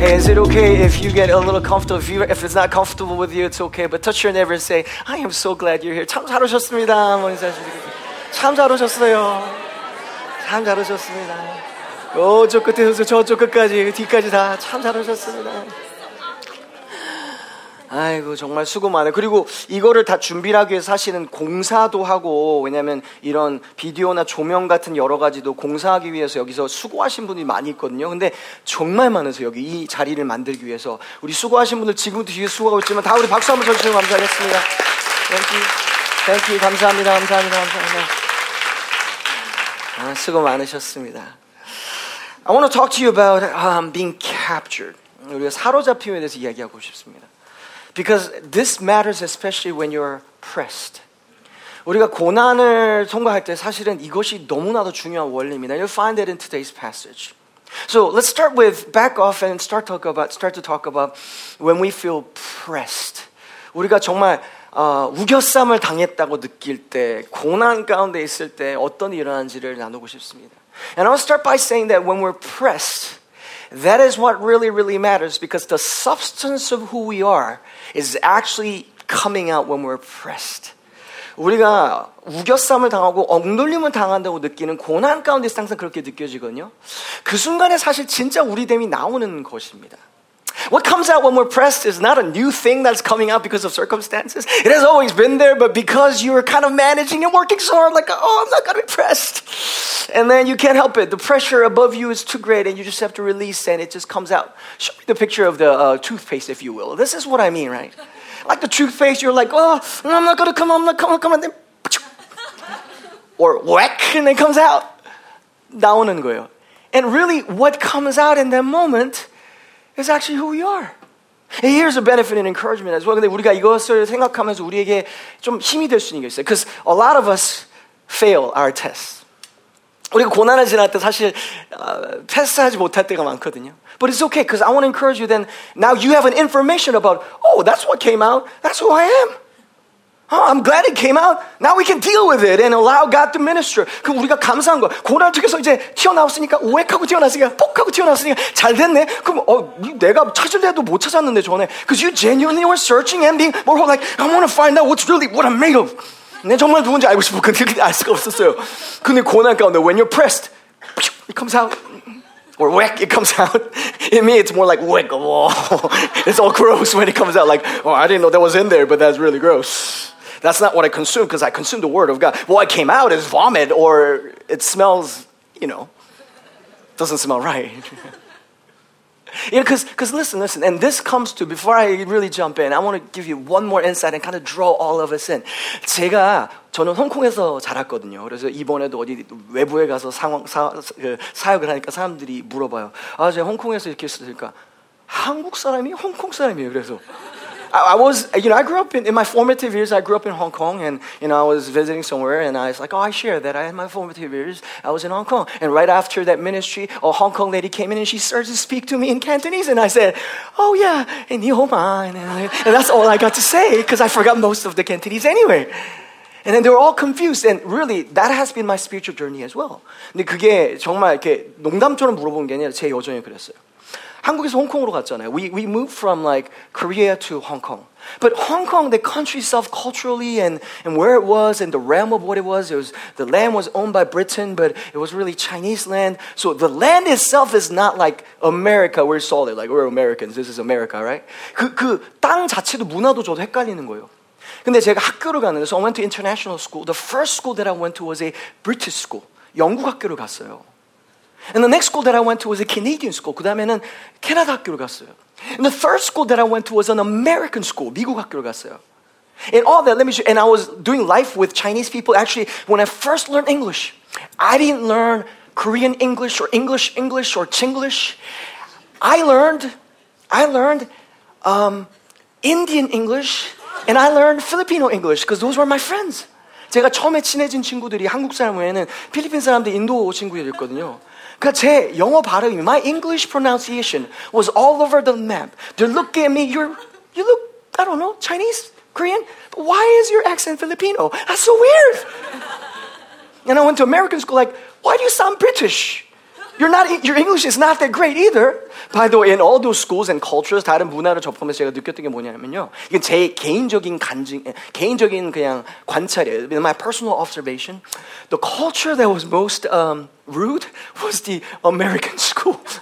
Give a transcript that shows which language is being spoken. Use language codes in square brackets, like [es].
[en] it okay if you get a little comfortable? If it's not comfortable with you, it's okay. But touch your neighbor and say, I am so glad you're here. [ko] 참 잘 오셨습니다. 참 잘 오셨어요. 참 잘 오셨습니다. 오쪽 끝에서 저쪽 끝까지 뒤까지 다 참 잘 오셨습니다. 아이고 정말 수고 많아요. 그리고 이거를 다 준비하기 위해서 사실은 공사도 하고, 왜냐하면 이런 비디오나 조명 같은 여러 가지도 공사하기 위해서 여기서 수고하신 분이 많이 있거든요. 근데 정말 많으세요. 여기 이 자리를 만들기 위해서 우리 수고하신 분들 지금부터 뒤에 수고하고 있지만 다 우리 박수 한번 쳐주시면 감사하겠습니다. [en] Thank you. Thank you. [ko] 감사합니다. 감사합니다. 감사합니다. 아, 수고 많으셨습니다. [en] I want to talk to you about being captured. [ko] 우리가 사로잡힘에 대해서 이야기하고 싶습니다. [en] Because this matters especially when you're pressed. [ko] 우리가 고난을 통과할 때 사실은 이것이 너무나도 중요한 원리입니다. [en] You'll find that in today's passage. So let's start with, back off and start to talk about when we feel pressed. [ko] 우리가 정말 우겨쌈을 당했다고 느낄 때, 고난 가운데 있을 때 어떤 일이 일어난지를 나누고 싶습니다. [en] And I'll start by saying that when we're pressed, that is what really, really matters, because the substance of who we are is actually coming out when we're pressed. [ko] 우리가 우겨쌈을 당하고 억눌림을 당한다고 느끼는 고난 가운데서 항상 그렇게 느껴지거든요. 그 순간에 사실 진짜 우리됨이 나오는 것입니다. [en] What comes out when we're pressed is not a new thing that's coming out because of circumstances. It has always been there, but because you're kind of managing and working so hard, like, oh, I'm not going to be pressed. And then you can't help it. The pressure above you is too great, and you just have to release, and it just comes out. Show me the picture of the toothpaste, if you will. This is what I mean, right? Like the toothpaste, you're like, oh, I'm not going to come, I'm not going to come, and then, or whack, and then it comes out. [ko] 나오는 거예요. [en] And really, what comes out in that moment is actually who we are. And here's a benefit and encouragement as well. [ko] 근데 우리가 이것을 생각하면서 우리에게 좀 힘이 될 수 있는 게 있어요. [en] Because a lot of us fail our tests. [ko] 우리가 고난을 지날 때 사실 패스하지 못할 때가 많거든요. [en] But it's okay, because I want to encourage you then. Now you have an information about, oh, that's what came out. That's who I am. Oh, I'm glad it came out. Now we can deal with it and allow God to minister. [ko] 그럼 우리가 감사한 거. 고난 속에서 이제 튀어나왔으니까, 웩하고 튀어나왔으니까, 폭하고 튀어나왔으니까, 잘 됐네. 그럼, 내가 찾을래도 못 찾았는데, 전에. [en] Because you genuinely were searching and being more like, I want to find out what's really, what I'm made of. [ko] 내 정말 누군지 알고 싶어. 근데 그게 알 수가 없었어요. 근데 고난 가운데, [en] when you're pressed, it comes out. Or whack, it comes out. In me, it's more like whack. It's all gross when it comes out. Like, oh, I didn't know that was in there, but that's really gross. That's not what I consume, because I consume the word of God. What came out is vomit, or it smells, you know, doesn't smell right. Yeah, because listen, and this comes to, before I really jump in, I want to give you one more insight and kind of draw all of us in. [ko] 제가, 저는 홍콩에서 자랐거든요. 그래서 이번에도 어디 외부에 가서 사역을 하니까 사람들이 물어봐요. 아, 제가 홍콩에서 이렇게 있으니까 한국 사람이 홍콩 사람이에요. 그래서. [en] I was, you know, I grew up in my formative years, I grew up in Hong Kong, and, you know, I was visiting somewhere, and I was like, oh, I share that. I had my formative years, I was in Hong Kong. And right after that ministry, a Hong Kong lady came in, and she started to speak to me in Cantonese, and I said, oh, yeah, and [yue] 你好吗? [en] And that's all I got to say, because I forgot most of the Cantonese anyway. And then they were all confused, and really, that has been my spiritual journey as well. [ko] 근데 그게 정말 이렇게 농담처럼 물어본 게 아니라 제 여정이 그랬어요. 한국에서 홍콩으로 갔잖아요. [en] We moved from like Korea to Hong Kong. But Hong Kong, the country itself culturally and where it was and the realm of what it was the land was owned by Britain, but it was really Chinese land. So the land itself is not like America. We're solid. Like we're Americans. This is America, right? [ko] 그 땅 자체도 문화도 저도 헷갈리는 거예요. 근데 제가 학교를 갔는데, [en] so I went to international school. The first school that I went to was a British school. [ko] 영국 학교로 갔어요. [en] And the next school that I went to was a Canadian school. [ko] 그 다음에는 캐나다 학교로 갔어요. [en] And the third school that I went to was an American school. [ko] 미국 학교로 갔어요. [en] And all that, let me show you. And I was doing life with Chinese people. Actually, when I first learned English, I didn't learn Korean English or English English or Chinglish. I learned Indian English, and I learned Filipino English, because those were my friends. [ko] 제가 처음에 친해진 친구들이 한국 사람 외에는 필리핀 사람들, 인도 친구들이었거든요. 그러니까 제 영어 발음이, [en] my English pronunciation was all over the map. They're looking at me, you look, I don't know, Chinese, Korean, but why is your accent Filipino? That's so weird. And I went to American school, like, why do you sound British? your English is not that great either. By the way, in all those schools and cultures, [ko] 다른 문화를 접하면서 제가 느꼈던 게 뭐냐면요. 이건 제 개인적인 간증, 개인적인 그냥 관찰이에요. [en] My personal observation, the culture that was most rude was the American school.